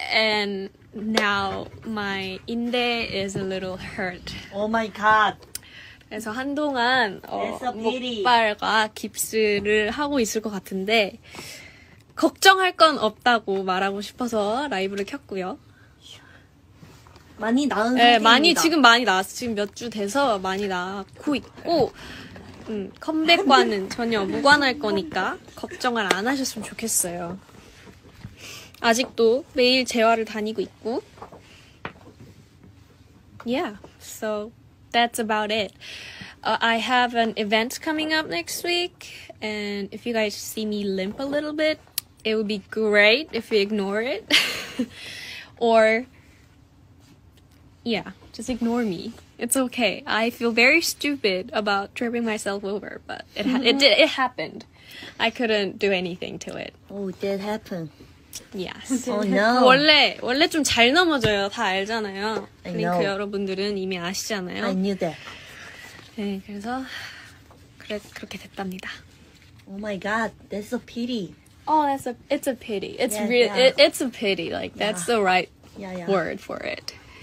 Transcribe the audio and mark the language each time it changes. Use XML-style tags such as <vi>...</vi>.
<en>And now my 인대 is a little hurt. Oh my god.</en> <ko>그래서 한동안 목발과 깁스를 하고 있을 것 같은데 걱정할 건 없다고 말하고 싶어서 라이브를 켰고요. 많이 나은 상태입니다. 네, 많이 나왔어. 지금 몇 주 돼서 많이 나고 있고 컴백과는 전혀 무관할 거니까 걱정을 안 하셨으면 좋겠어요. 아직도 매일 재활을 다니고 있고</ko> <en>Yeah, so that's about it. I have an event coming up next week, and if you guys see me limp a little bit, it would be great if you ignore it. Or, yeah, just ignore me. It's okay. I feel very stupid about tripping myself over, but it happened. I couldn't do anything to it. Oh, it did happen. Yes. Oh, no.</en> <ko>원래 좀 잘 넘어져요. 다 알잖아요. 링크 여러분들은 이미 아시잖아요.</ko> <en>I knew that.</en> <ko>네, 그래서 그렇게 됐답니다.</ko> <en>Oh my god, that's a pity. Oh, that's a, it's a pity. It's yeah, really, yeah. It, it's a pity. Like, that's yeah. the right yeah, yeah. word for it.</en>